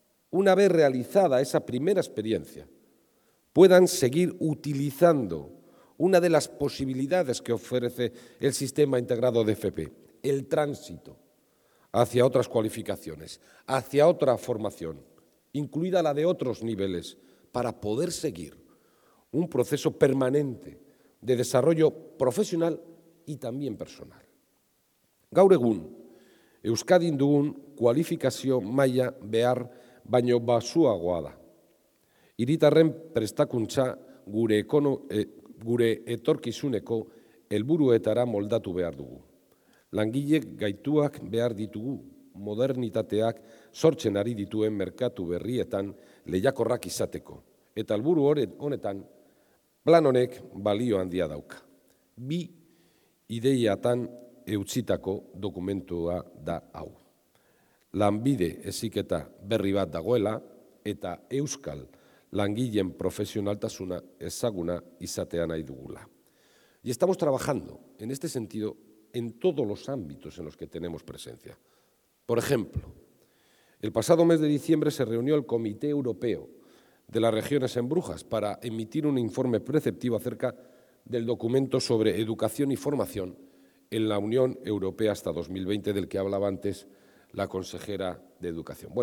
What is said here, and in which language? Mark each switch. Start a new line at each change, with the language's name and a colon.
Spanish: una vez realizada esa primera experiencia, puedan seguir utilizando una de las posibilidades que ofrece el sistema integrado de FP, el tránsito hacia otras cualificaciones, hacia otra formación, incluida la de otros niveles, para poder seguir un proceso permanente de desarrollo profesional y también personal.
Basque: Gaur egun, Euskadin dugun kualifikazio maila behar baino basuagoa da. Hiritarren prestakuntza gure etorkizuneko helburuetara moldatu behar dugu. Langilek gaituak behar ditugu, modernitateak sortzen ari dituen merkatu berrietan lehiakorrak izateko. Eta helburu honetan, plan honek balio handia dauka. Bi ideiatan eutzitako dokumentua da hau. Lanbide heziketa berri bat dagoela eta euskal langileen profesionaltasuna ezaguna izatea nahi dugula.
Spanish: Y estamos trabajando en este sentido en todos los ámbitos en los que tenemos presencia. Por ejemplo, el pasado mes de diciembre se reunió el Comité Europeo de las Regiones en Brujas para emitir un informe preceptivo acerca del documento sobre educación y formación en la Unión Europea hasta 2020, del que hablaba antes la consejera de Educación.